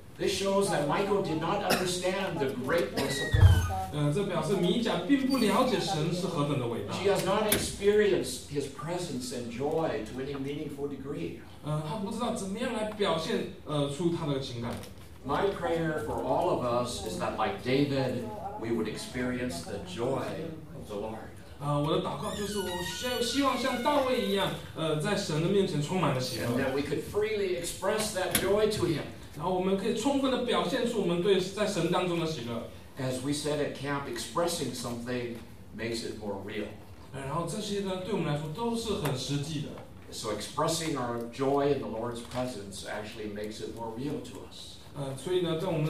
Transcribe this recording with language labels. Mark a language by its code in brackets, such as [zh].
[en] This shows that Michal did not understand the greatness of God. [zh] 这表示米甲并不了解神是何等的伟大。 [en] She has not experienced His presence and joy to any meaningful degree. [zh] 她不知道怎么样来表现出她的情感。 [en] My prayer for all of us is that like David, we would experience the joy of the Lord. [zh] 我的祷告就是我希望像大卫一样，在神的面前充满了喜乐。 [en] And that we could freely express that joy to Him. [zh] 然后我们可以充分地表现出我们对在神当中的喜乐。 [en] As we said at camp, expressing something makes it more real. [zh] 然后这些呢，对我们来说都是很实际的。 [en] So expressing our joy in the Lord's presence actually makes it more real to us.